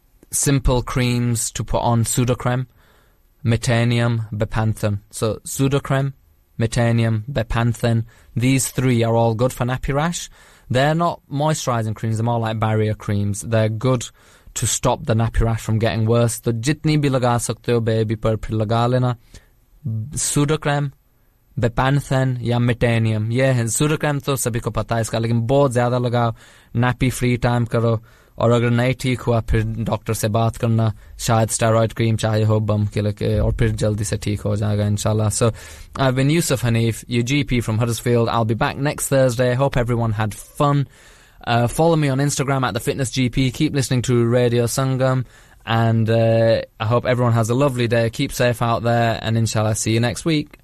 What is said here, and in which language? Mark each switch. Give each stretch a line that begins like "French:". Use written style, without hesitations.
English: Simple creams to put on: pseudocrem, metanium, bepanthen. So pseudocrem, metanium, bepanthen, these three are all good for nappy rash. They're not moisturizing creams, they're more like barrier creams. They're good to stop the nappy rash from getting worse.
Hindi: To jitni bhi laga sakte ho baby par phir laga lena. Pseudocrem, Bepanthen या Metanium ये हैं. सूर्यक्रम तो सभी को पता है इसका, लेकिन बहुत ज्यादा लगाओ, नैपी फ्री टाइम करो, और अगर नहीं ठीक हुआ फिर डॉक्टर से बात करना, शायद स्टेरॉइड क्रीम चाहिए हो बम के लिए, और फिर जल्दी से ठीक हो जाएगा इंशाल्लाह.
English: So I've been Yusuf Hanif, your GP from Huddersfield. I'll be back next Thursday. Hope everyone had fun. Follow me on Instagram at TheFitnessGP. Keep listening to Radio Sangam. And I hope everyone has a lovely day. Keep safe out there. And inshallah, see you next week.